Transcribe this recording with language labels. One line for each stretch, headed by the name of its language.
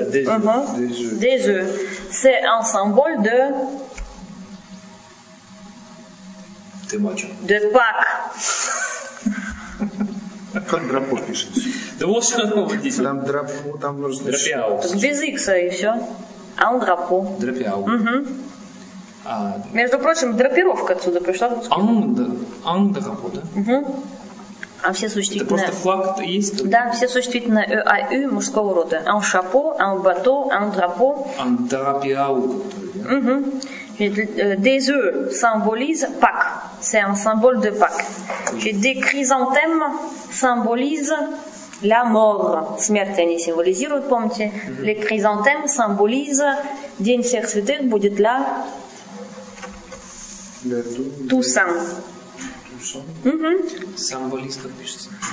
French: Des œufs. C'est un symbole de. De Pâques.
Russian: Как drapeau пишется? Да вот что оно здесь. Там drapeau, там нужно.
French: Drapeau.
Russian: Без X и все.
French: Un drapeau. Drapeau.
Russian: Между прочим, драпировка отсюда пришла.
French: Un drapeau,
Russian: да? А все существительные... Это просто флаг есть? Да, все существительные ЭАЮ мужского рода.
French: Un chapeau, un bateau, un drapeau. Un drapeau. Des œufs symbolisent Pâques. C'est un symbole de Pâques. Oui. Des chrysanthèmes symbolisent la mort.
Russian: Смерть они символизируют, помните?
French: Les chrysanthèmes symbolisent
Russian: День всех святых будет la...
French: Toussaint. Symbolise,
Russian: как пишется?